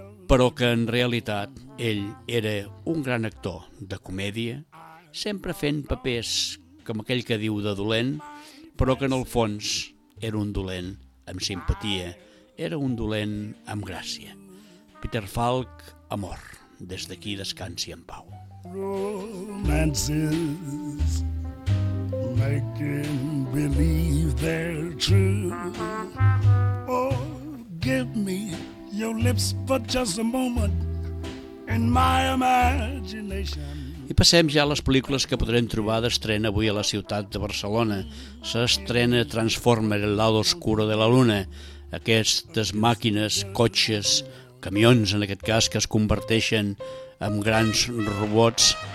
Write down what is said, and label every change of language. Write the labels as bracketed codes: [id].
[ca] però que en realitat ell era un gran actor de comèdia, sempre fent papers com aquell que diu de dolent, però que en el fons era un dolent amb simpatia, era un dolent amb gràcia. Peter Falk, amor, des d'aquí descansi en pau. [en] Romances, making believe they're true. Oh, give me your lips for just a moment in my imagination. [ca] I passem ja a les pel·lícules que podrem trobar d'estrena avui a la ciutat de Barcelona. S'estrena Transformer, el lado oscuro de la luna. Aquestes màquines, cotxes, camions en aquest cas, que es converteixen en grans robots.